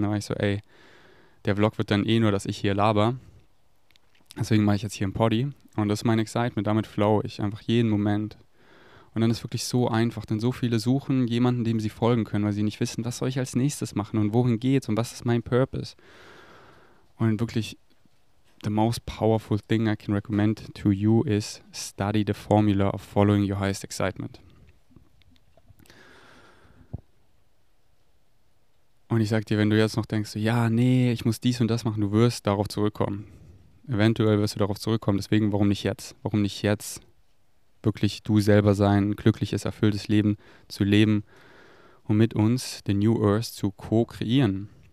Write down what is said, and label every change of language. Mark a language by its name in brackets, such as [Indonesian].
[German] Dann war ich so, ey, der Vlog wird dann eh nur, dass ich hier laber. Deswegen mache ich jetzt hier einen Poddy. Und das ist mein Excitement. Damit flow ich einfach jeden Moment. Und dann ist es wirklich so einfach. Denn so viele suchen jemanden, dem sie folgen können, weil sie nicht wissen, was soll ich als nächstes machen und wohin geht's und was ist mein Purpose. Und wirklich, [English] the most powerful thing I can recommend to you is study the formula of following your highest excitement. [German] Und ich sag dir, wenn du jetzt noch denkst, ja, nee, ich muss dies und das machen, du wirst darauf zurückkommen. Eventuell wirst du darauf zurückkommen, deswegen warum nicht jetzt? Warum nicht jetzt wirklich du selber sein, ein glückliches, erfülltes Leben zu leben und mit uns the New Earth zu co-kreieren?